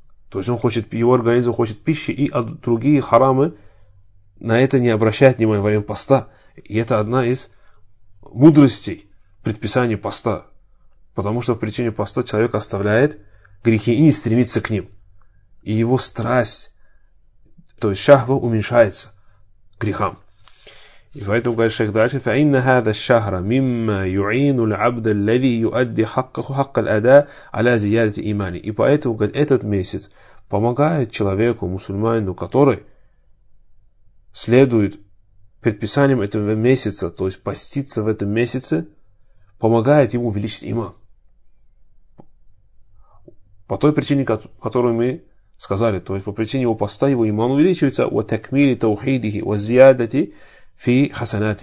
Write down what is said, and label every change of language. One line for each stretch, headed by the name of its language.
Russian: То есть он хочет, его организм хочет пищи, и другие харамы на это не обращают внимания во время поста. И это одна из мудростей предписания поста. Потому что в причине поста человек оставляет грехи и не стремится к ним. И его страсть, то есть шахва, уменьшается грехам. И поэтому говорит шейх дальше,
Arabic: فَإِنَّ هَذَا الشَّهْرَ مِمَّا يُعِينُ الْعَبْدَ الَّذِي يُؤَدِّ حَقَّهُ حَقَّ الْأَدَى عَلَى زِيَادَةِ إِيمَانِ.
Russian: И поэтому, говорит, этот месяц помогает человеку, мусульманину, который следует предписанием этого месяца, то есть поститься в этом месяце, помогает ему увеличить иман. По той причине, которую мы сказали, то есть по причине его поста, его иман увеличивается,
Arabic: وَتَكْمِيلِ تَوْحِيدِهِ وَزِيَادَةِ فِي حَسَنَاتِ.